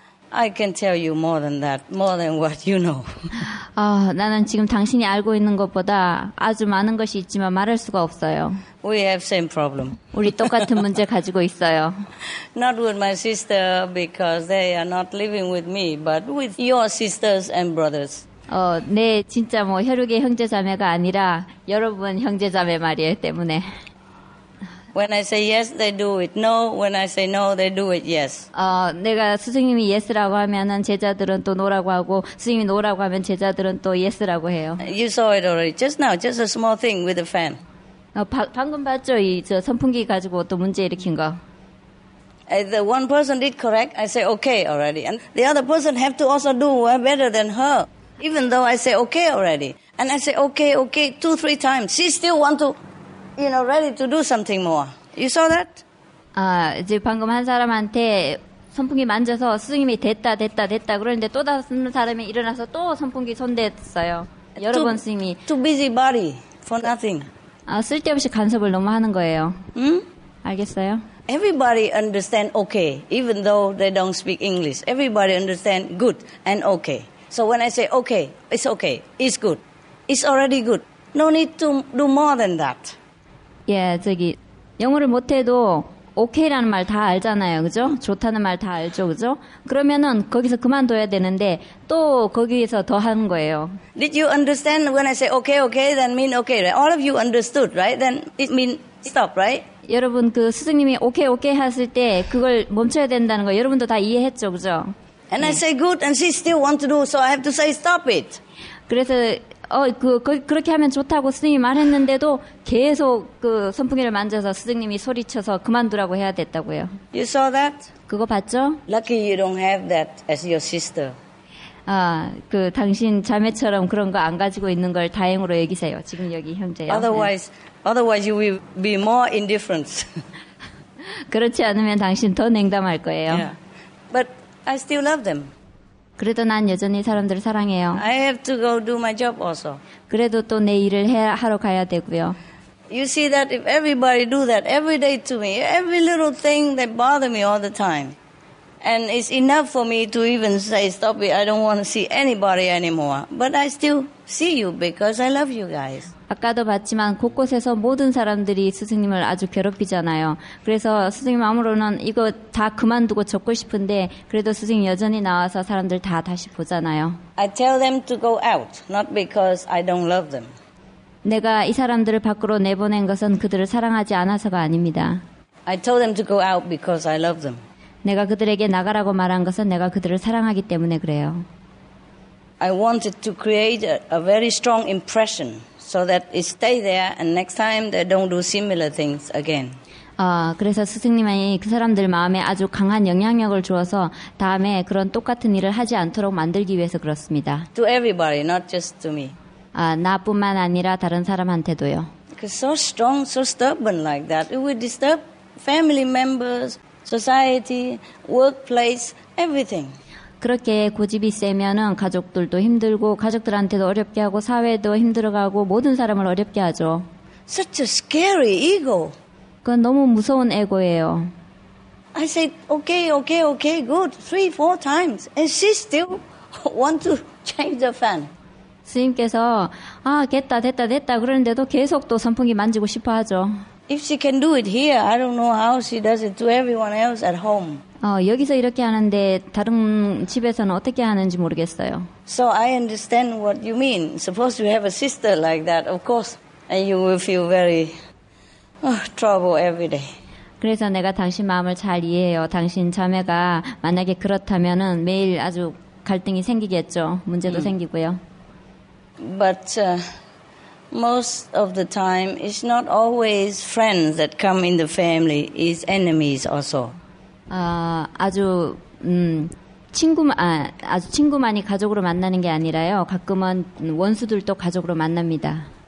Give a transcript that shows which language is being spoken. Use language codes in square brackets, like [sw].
[en] I can tell you more than that, more than what you know. [ko] 나는 지금 당신이 알고 있는 것보다 아주 많은 것이 있지만 말할 수가 없어요. [en] We have same problem. [ko] 우리 똑같은 문제 가지고 있어요. [en] Not with my sister because they are not living with me, but with your sisters and brothers. [ko] 네, 진짜 뭐 혈육의 형제 자매가 아니라 여러분 형제 자매 말이에요 때문에. [en] When I say yes, they do it. No, when I say no, they do it. Yes. [ko] 내가 스승님이 yes라고 하면은 제자들은 또 no라고 하고 스승님이 no라고 하면 제자들은 또 yes라고 해요. [en] You saw it already. Just now, just a small thing with a fan. [ko] 방금 봤죠? 이 저 선풍기 가지고 또 문제 일으킨 거. [en] The one person did correct. I say okay already. And the other person have to also do well better than her. Even though I say okay already. And I say okay, okay, two, three times. She still want to, you know, ready to do something more. You saw that? [ko] 이제 방금 한 사람한테 선풍기 만져서 스승님이 됐다, 됐다, 됐다 그러는데 또 다른 사람이 일어나서 또 선풍기 손댔어요. 여러 번 스승님이. [en] Too busy body for nothing. [ko] 쓸데없이 간섭을 너무 하는 거예요. 응? 알겠어요? [en] Everybody understand okay, even though they don't speak English. Everybody understand good and okay. So when I say okay, it's good. It's already good. No need to do more than that. [ko] 예, 저기 영어를 못해도 오케이라는 말 다 알잖아요, 그죠? 좋다는 말 다 알죠, 그죠? 그러면은 거기서 그만둬야 되는데 또 거기에서 더 하는 거예요. [en] Did you understand when I say okay, then mean okay, right? All of you understood, right? Then it mean stop, right? [ko] 여러분 그 스승님이 오케이 했을 때 그걸 멈춰야 된다는 거 여러분도 다 이해했죠, 그죠? [en] And [ko] 네. [en] I say good, and she still want to do, so I have to say stop it. [ko] 그래서 그렇게 하면 좋다고 스승님이 말했는데도 계속 그 선풍기를 만져서 스승님이 소리쳐서 그만두라고 해야 됐다고요. You saw that? 그거 봤죠? [en] Lucky you don't have that as your sister. [ko] 그 당신 자매처럼 그런 거 안 가지고 있는 걸 다행으로 여기세요. 지금 여기 형제요. [en] Otherwise you will be more indifferent. [ko] 그렇지 않으면 당신 더 냉담할 거예요. [en] Yeah. But I still love them. [ko] 그래도 난 여전히 사람들을 사랑해요. [en] I have to go do my job also. [ko] 그래도 또 내 일을 하러 가야 되고요. [en] You see that if everybody do that every day to me, every little thing that bother me all the time, and it's enough for me to even say, stop it, I don't want to see anybody anymore. But I still see you because I love you guys. [ko] 아까도 봤지만 곳곳에서 모든 사람들이 스승님을 아주 괴롭히잖아요. 그래서 스승님 마음으로는 이거 다 그만두고 접고 싶은데 그래도 스승님 여전히 나와서 사람들 다 다시 보잖아요. [en] I tell them to go out, not because I don't love them. [ko] 내가 이 사람들을 밖으로 내보낸 것은 그들을 사랑하지 않아서가 아닙니다. [en] I tell them to go out because I love them. [ko] 내가 그들에게 나가라고 말한 것은 내가 그들을 사랑하기 때문에 그래요. [en] I wanted to create a very strong impression so that it stay there and next time they don't do similar things again. [ko] 그래서 스승님이 그 사람들 마음에 아주 강한 영향력을 주어서 다음에 그런 똑같은 일을 하지 않도록 만들기 위해서 그렇습니다. [en] To everybody, not just to me. [ko] 나뿐만 아니라 다른 사람한테도요. [en] Because so strong, so stubborn like that, it will disturb family members, society, workplace, everything. [ko] 그렇게 고집이 세면은 가족들도 힘들고 가족들한테도 어렵게 하고 사회도 힘들어가고 모든 사람을 어렵게 하죠. [en] Such a scary ego. [ko] 그건 너무 무서운 에고예요. [en] I said, okay, okay, okay, good, 3-4 times, and she still want to change the fan. [ko] 스님께서 아, 됐다, 됐다, 됐다 그러는데도 계속 또 선풍기 만지고 싶어 하죠. [en] If she can do it here, I don't know how she does it to everyone else at home. [ko] 여기서 이렇게 하는데 다른 집에서는 어떻게 하는지 모르겠어요. [en] So I understand what you mean. Suppose you have a sister like that, of course, and you will feel very trouble every day. [ko] 그래서 내가 당신 마음을 잘 이해해요. 당신 자매가 만약에 그렇다면은 매일 아주 갈등이 생기겠죠. 문제도 생기고요. [en] But most of the time, it's not always friends that come in the family. It's enemies also. [ko] 아주 친구만이 가족으로 만나는 게 아니라요. 가끔은 원수들도 가족으로 만납니다.